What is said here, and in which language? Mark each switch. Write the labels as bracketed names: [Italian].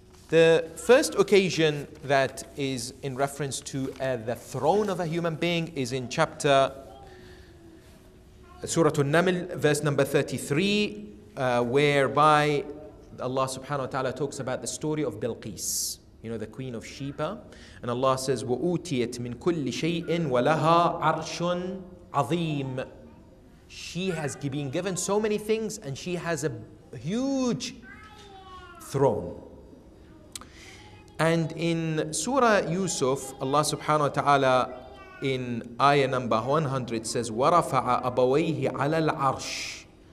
[English] The first occasion that is in reference to the throne of a human being is in chapter Surah An-Naml, verse number 33, whereby Allah subhanahu wa ta'ala talks about the story of Bilqis, you know, the queen of Sheba. And Allah says, [Arabic] وَأُوتِيَتْ مِنْ كُلِّ شَيْءٍ وَلَهَا عَرْشٌ عَظِيمٌ. [English] She has been given so many things and she has a huge throne. And in Surah Yusuf, Allah subhanahu wa ta'ala in ayah number 100 says, [Arabic] وَرَفَعَ أَبَوَيْهِ عَلَى الْعَرْشِ.